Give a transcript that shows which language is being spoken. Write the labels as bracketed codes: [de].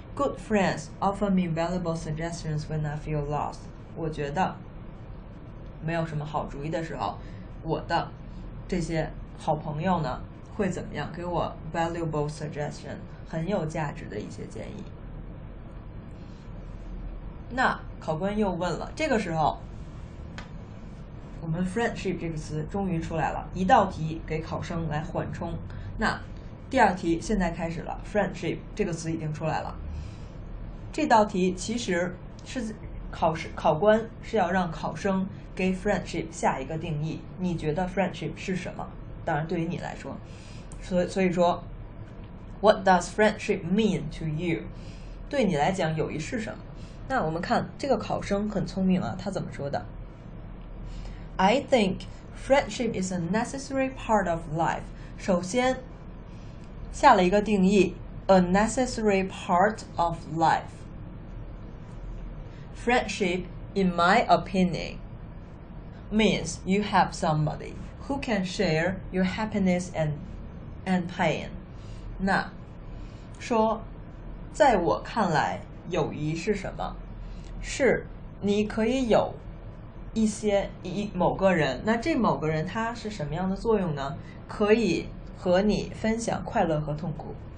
[en] Good friends offer me valuable suggestions when I feel lost. [zh] 我觉得没有什么好主意的时候，我的这些好朋友呢会怎么样？给我 valuable suggestion， 很有价值的一些建议。那考官又问了，这个时候我们 friendship 这个词终于出来了，一道题给考生来缓冲。那第二题现在开始了， friendship 这个词已经出来了。这道题其实是考官是要让考生给 friendship 下一个定义，你觉得 friendship 是什么？当然对于你来说，所以说 [en] What does friendship mean to you? [zh] 对你来讲友谊是什么？那我们看这个考生很聪明啊，他怎么说的？ [en] I think friendship is a necessary part of life. [zh] 首先下了一个定义， [en] A necessary part of life. Friendship, in my opinion, means you have somebody who can share your happiness and pain. [zh] 那说在我看来友谊是什么？是你可以有一些某个人，那这某个人他是什么样的作用呢？可以和你分享快乐和痛苦。